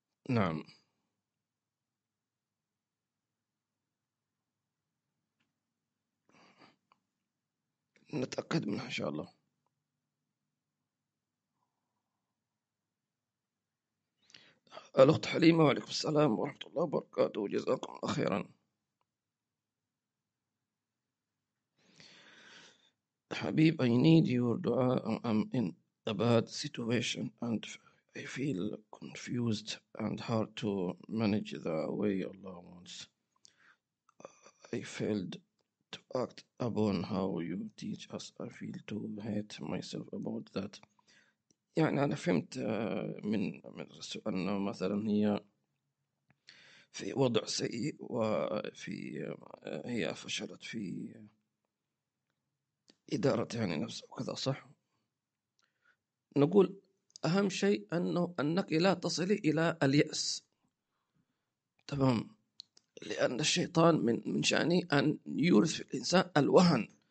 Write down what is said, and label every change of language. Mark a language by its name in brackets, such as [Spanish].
[Arabic] نعم نتأكد منها إن شاء الله. الأخت حليمة، وعليكم السلام ورحمة الله وبركاته، جزاكم الله خيرا. [English] حبيب، I need your dua. I'm in a bad situation and I feel confused and hard to manage the way Allah wants. I failed to act upon how you teach us. I feel to hate myself about that. [Arabic] يعني أنا فهمت من السؤال أنه مثلا هي في وضع سيء، وفي هي فشلت في إدارة يعني نفسها وكذا، صح؟ نقول أهم شيء أنه أنك لا تصلي إلى اليأس، تمام؟ لأن الشيطان من شأنه أن يورث في الإنسان الوهن.